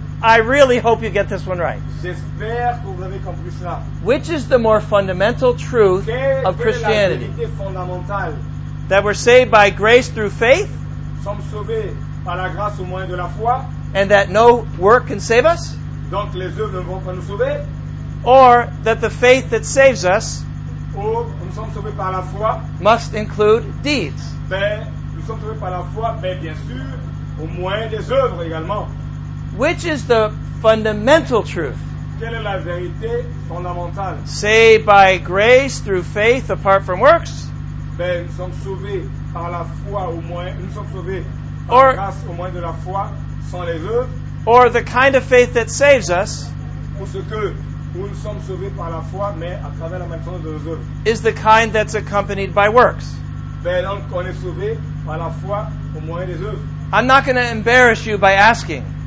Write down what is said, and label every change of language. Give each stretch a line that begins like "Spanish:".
English: I really hope you get this one right.
French: J'espère que vous avez compris cela.
English: Which is the more fundamental truth of Christianity?
French: Quelle est la vérité fondamentale?
English: That we're saved by grace through faith?
French: Nous sommes sauvés par la grâce au moyen de la foi?
English: And that no work can save us?
French: Donc les œuvres ne vont pas nous sauver?
English: Or that the faith that saves us
French: nous sommes sauvés par la foi,
English: must include deeds?
French: Ben, nous sommes sauvés par la foi, mais bien sûr, au moyen des œuvres également.
English: Which is the fundamental truth?
French: Quelle est la vérité fondamentale?
English: Saved by grace through faith apart from works?
French: Ben, nous sommes sauvés par la foi au moyen, nous sommes sauvés par la grâce au moyen de la foi sans les œuvres.
English: Or the kind of faith that saves us is the kind that's accompanied by works. I'm not going to embarrass you by asking.